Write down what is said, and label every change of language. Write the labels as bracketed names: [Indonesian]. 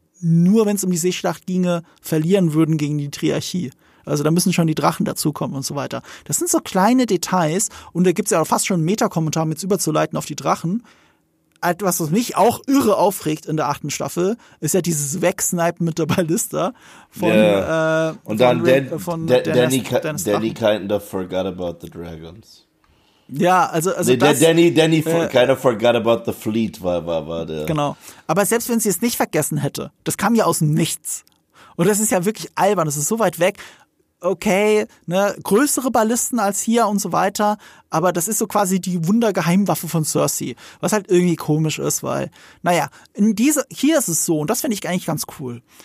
[German] nur wenn es um die Seeschlacht ginge, verlieren würden gegen die Triarchie. Also da müssen schon die Drachen dazukommen und so weiter. Das sind so kleine Details und da gibt es ja auch fast schon einen Metakommentar, um jetzt überzuleiten auf die Drachen. Etwas, was mich auch irre aufregt in der achten Staffel, ist ja dieses Wegsnipen mit der Ballista von [English] Danny kind of forgot about the dragons. [German] Ja, also [English] nee, Danny kind of forgot about the fleet [German] war der. Genau. Aber selbst wenn sie es nicht vergessen hätte, das kam ja aus nichts. Und das ist ja wirklich albern, das ist so weit weg. Okay, ne, größere Ballisten als hier und so weiter, aber das ist so quasi die Wundergeheimwaffe von Cersei, was halt irgendwie komisch ist, weil, naja, hier ist es so, und das finde ich eigentlich ganz cool.